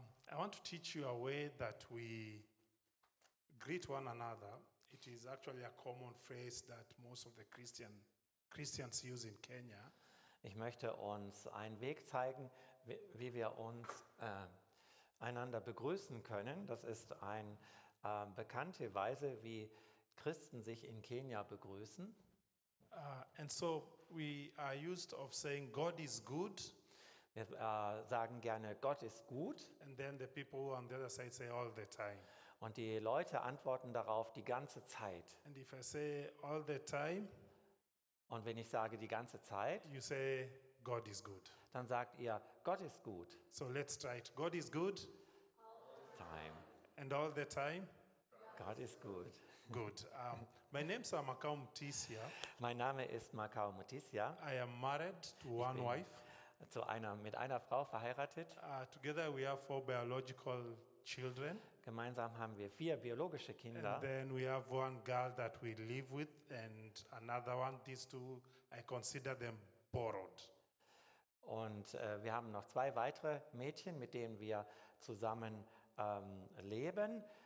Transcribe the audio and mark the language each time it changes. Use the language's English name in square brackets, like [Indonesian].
[English] I want to teach you a way that we greet one another. It is actually a common phrase that most of the Christians use in Kenya. [German] Ich möchte uns einen Weg zeigen, wie wir uns einander begrüßen können. Das ist eine bekannte Weise, wie Christen sich in Kenia begrüßen. [English] And so we are used of saying God is good. [German] Wir sagen gerne Gott ist gut. [English] And then the people who are on the other side say all the time. [German] Und die Leute antworten darauf die ganze Zeit. [English] And if I say all the time, [German] und wenn ich sage die ganze Zeit, [English] you say God is good. [German] Dann sagt ihr Gott ist gut. [English] So let's try it. God is good. Time. And all the time. God is good. Good. My name is Makau Mutisia. [German] Mein Name ist Makau Mutisia. [English] I am married to one wife. [German] Mit einer Frau verheiratet. [English] Together we have four biological children. [German] Gemeinsam haben wir vier biologische Kinder. [English] And then we have one girl that we live with and another one. These two, I consider them borrowed. [German] Und wir haben noch zwei weitere Mädchen, mit denen wir zusammen leben.